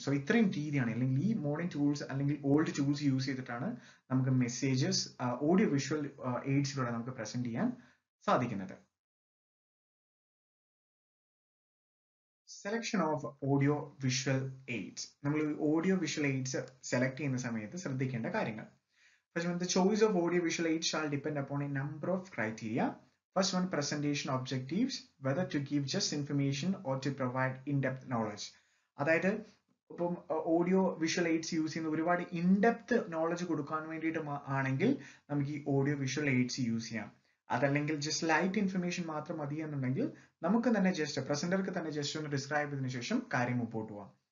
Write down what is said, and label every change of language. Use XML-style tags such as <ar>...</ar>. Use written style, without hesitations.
<ml>So ഇത്രയും രീതിയാണ്, അല്ലെങ്കിൽ ഈ മോഡേൺ ടൂൾസ് അല്ലെങ്കിൽ ഓൾഡ് ടൂൾസ് യൂസ് ചെയ്തിട്ടാണ് നമുക്ക് മെസ്സേജസ് ഓഡിയോ വിഷ്വൽ എയ്ഡ്സിലൂടെ നമുക്ക് പ്രസന്റ് ചെയ്യാൻ സാധിക്കുന്നത്.</ml> <en>Selection of audio visual aids.</en> <ml>നമ്മൾ ഓഡിയോ വിഷ്വൽ എയ്ഡ്സ് സെലക്ട് ചെയ്യുന്ന സമയത്ത് ശ്രദ്ധിക്കേണ്ട കാര്യങ്ങൾ.</ml> <en>The choice of audio visual aids shall depend upon a number of criteria. First one, presentation objectives, whether to give just information or to provide in-depth knowledge.</en> <ml>അതായത് ഇപ്പം audio visual AIDS use ചെയ്യുന്ന ഒരുപാട് in-depth knowledge കൊടുക്കാൻ വേണ്ടിയിട്ട് ആണെങ്കിൽ നമുക്ക് ഈ audio visual AIDS use ചെയ്യാം. അതല്ലെങ്കിൽ ജസ്റ്റ് ലൈറ്റ് ഇൻഫർമേഷൻ മാത്രം മതി എന്നുണ്ടെങ്കിൽ നമുക്ക് തന്നെ ജസ്റ്റ് പ്രസന്റർക്ക് തന്നെ ജസ്റ്റ് ഒന്ന് ഡിസ്ക്രൈബ് ചെയ്തതിനു ശേഷം കാര്യം മുമ്പോട്ട് പോവാം.</ml>